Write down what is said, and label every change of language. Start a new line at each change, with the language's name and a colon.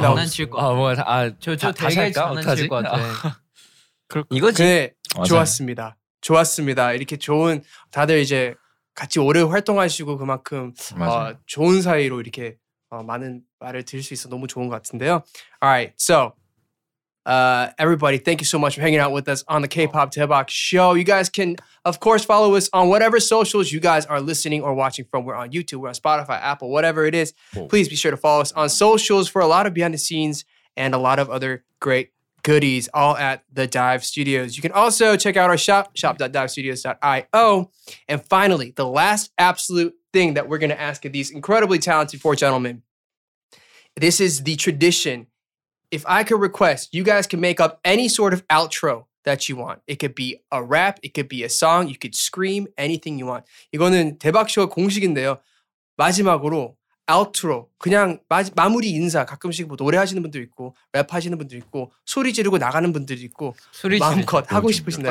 Korean: 나왔어. 아 뭐 아 저쪽 되게 장난칠 것 같아. 그렇군. 이거지. 네, 좋았습니다. 좋았습니다. 이렇게 좋은 다들 이제. 같이 오래 활동하시고 그만큼 좋은 사이로 이렇게 많은 말을 들을 수 있어 너무 좋은 것 같은데요.
English: Alright, so everybody, thank you so much for hanging out with us on the K-pop 대박 show. You guys can, of course, follow us on whatever socials you guys are listening or watching from. We're on YouTube, we're on Spotify, Apple, whatever it is. Please be sure to follow us on socials for a lot of behind the scenes and a lot of other great goodies all at the Dive Studios. You can also check out our shop, shop.divestudios.io. And finally, the last absolute thing that we're going to ask of these incredibly talented four gentlemen. This is the tradition. If I could request, you guys can make up any sort of outro that you want. It could be a rap, it could be a song, you could scream, anything you want.
Korean: 이거는 대박쇼 공식인데요. 마지막으로 아웃트로 그냥 마무리 인사 가끔씩 뭐 노래하시는 분도 있고 랩하시는 분도 있고 소리 지르고 나가는 분들도 있고 소리 마음껏 하고 싶으신데